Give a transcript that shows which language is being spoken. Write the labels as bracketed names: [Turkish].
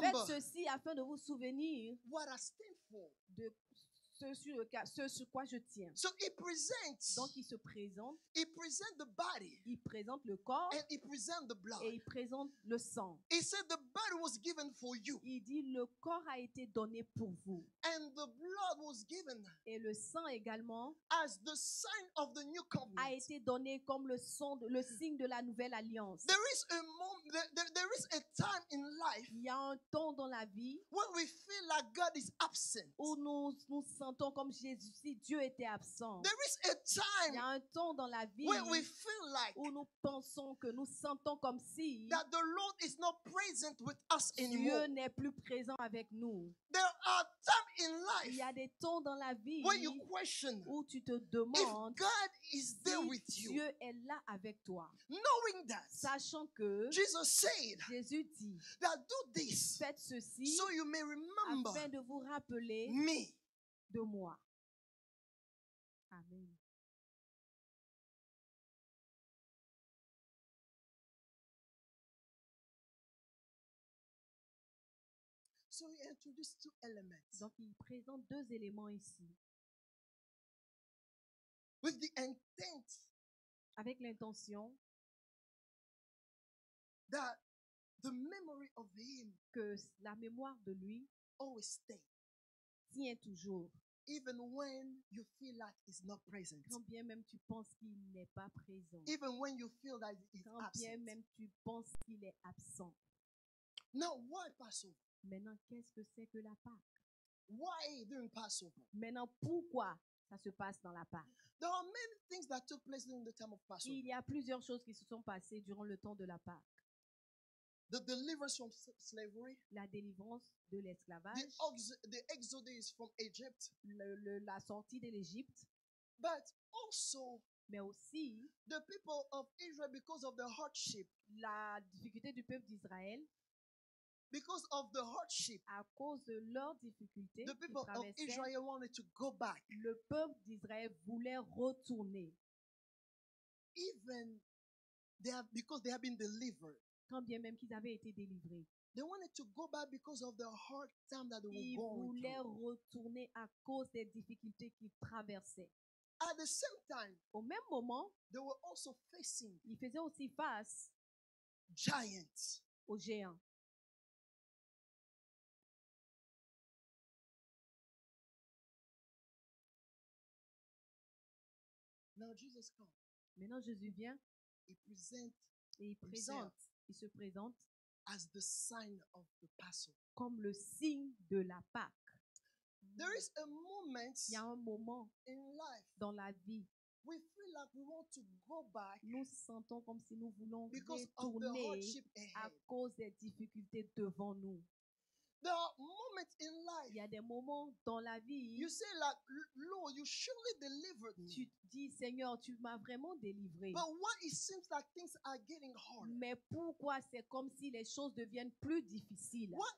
[French] Faites ceci afin de vous souvenir. [English] What I stand for. [French] De ce sur quoi je tiens. [English] So he presents. [French] Donc il se présente. [English] He presents the body. [French] Il présente le corps. [English] And he presents the blood. [French] Et il présente le sang. [English] He said, "The body was given for you." [French] Il dit, le corps a été donné pour vous. [English] And the blood was given. [French] Et le sang également. [English] As the sign of the new covenant. [French] A été donné comme le signe de la nouvelle alliance. [English] There is a moment. There is a time in life. [French] Il y a un temps dans la vie. [English] Where we feel like God is absent. [French] Où nous sentons comme Jésus, si Dieu était absent. [English] There is a time. [French] Il y a un temps dans la vie. [English] Where we feel like. [French] Où nous pensons que nous sentons comme si. [English] That the Lord is not present with us anymore. [French] Dieu n'est plus présent avec nous. [English] There are times in life. [French] Il y a des temps dans la vie. [English] Where you question. [French] Où tu te demandes. [English] If God is there [French] si [English] with you. [French] Dieu est là avec toi. [English] Knowing that. [French] Sachant que. [English] Jesus said. [French] Jésus dit. [English] That do this. [French] Faites ceci. [English] So you may remember. [French] Afin de vous rappeler. [English] Me. [French] De moi. Amen. [English] So he introduced two elements. [French] Donc il présente deux éléments ici. [English] With the intent. [French] Avec l'intention. [English] That the memory of him. [French] Que la mémoire de lui. [English] Always stay. [French] Tient toujours. [English] Even when you feel that he's not present. [French] Quand bien même tu penses qu'il n'est pas présent. [English] Even when you feel that he's absent. [French] Quand bien même tu penses qu'il est absent. [English] Now why Passover? [French] Maintenant, qu'est-ce que c'est que la Pâque? [English] Why during Passover? [French] Maintenant, pourquoi ça se passe dans la Pâque? [English] There are many things that took place during the time of Passover. [French] Il y a plusieurs choses qui se sont passées durant le temps de la Pâque. [English] The deliverance from slavery. [French] La délivrance de l'esclavage. [English] The exodus from Egypt. [French] La sortie de l'Égypte. [English] But also. [French] Mais aussi. [English] The people of Israel because of the hardship. [French] La difficulté du peuple d'Israël. [English] Because of the hardship. [French] À cause de leurs difficultés. [English] The people of Israel wanted to go back. [French] Le peuple d'Israël voulait retourner. [English] Even they have because they have been delivered. [French] Quand bien même qu'ils avaient été délivrés. [English] They wanted to go back because of the hard time that they were going through. [French] Ils voulaient retourner à cause des difficultés qu'ils traversaient. [English] At the same time, [French] au même moment, [English] they were also facing. [French] Ils faisaient aussi face [English] giants. [French] Aux géants. [English] Now Jesus comes. [French] Maintenant Jésus vient. [English] He presents. [French] Et il présente. Il se présente [English] as the sign of the Passover. [French] Comme le signe de la Pâque. [English] There is a moment. [French] Il y a un moment [English] in life [French] dans la vie. [English] We feel like we want to go back. [French] Nous sentons comme si nous voulons [English] because [French] retourner [English] of the hardship ahead. [French] À cause des difficultés devant nous. [English] There are moments in life. [French] Il y a des moments dans la vie. [English] You say like, Lord, you surely delivered me. [French] Tu dis, Seigneur, tu m'as vraiment délivré. [English] But why it seems like things are getting harder? [French] Mais pourquoi c'est comme si les choses deviennent plus difficiles?